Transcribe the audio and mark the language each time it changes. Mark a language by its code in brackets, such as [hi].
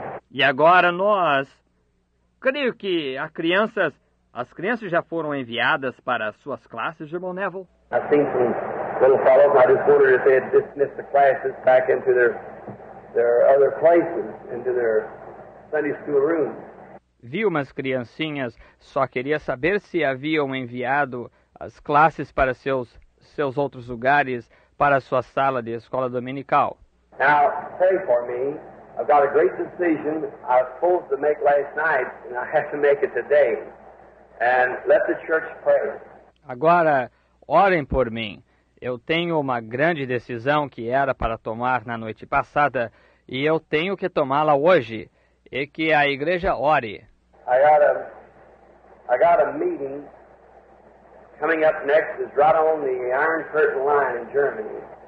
[pt] E agora nós, creio que as crianças já foram enviadas para as suas classes, irmão Neville. [en] I've seen some little fellows. I just wondered if they had dismissed the classes back into their other places, into their Sunday school rooms. [pt] Vi umas criancinhas. Só queria saber se haviam enviado as classes para seus outros lugares, para a sua sala de escola dominical. [en] Now, pray for me. I've got a great decision I was supposed to make last night, and I have to make it today. And let the church pray. [pt] Agora, orem por mim. Eu tenho uma grande decisão que era para tomar na noite passada, e eu tenho que tomá-la hoje, e que a igreja ore. [en] I got a meeting coming up next is right on the Iron Curtain line in Germany.